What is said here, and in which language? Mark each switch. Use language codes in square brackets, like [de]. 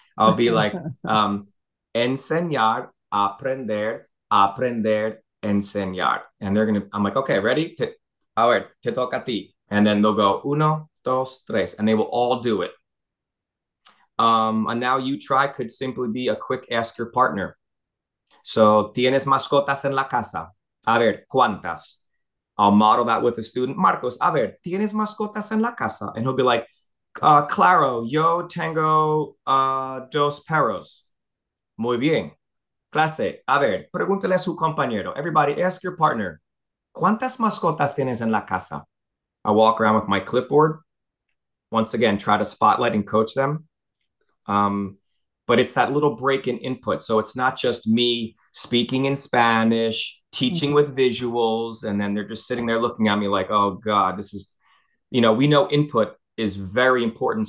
[es] I'll be like enseñar, aprender, aprender, enseñar. [en] And I'm like, okay, ready? [es] A ver, te toca a ti. [en] And then they'll go [es] uno, dos, tres, [en] and they will all do it. And now you try could simply be a quick ask your partner. [es] So, ¿tienes mascotas en la casa? A ver, ¿cuántas? [en] I'll model that with a student. [es] Marcos, a ver, ¿tienes mascotas en la casa? [en] And he'll be like, [es] claro, yo tengo dos perros. Muy bien. Clase, a ver, pregúntele a su compañero. [en] Everybody, ask your partner, [es] ¿cuántas mascotas tienes en la casa? [en] I walk around with my clipboard. Once again, try to spotlight and coach them. But it's that little break in input. So it's not just me speaking in Spanish, teaching with visuals, and then they're just sitting there looking at me like, oh God, this is, we know input is very important.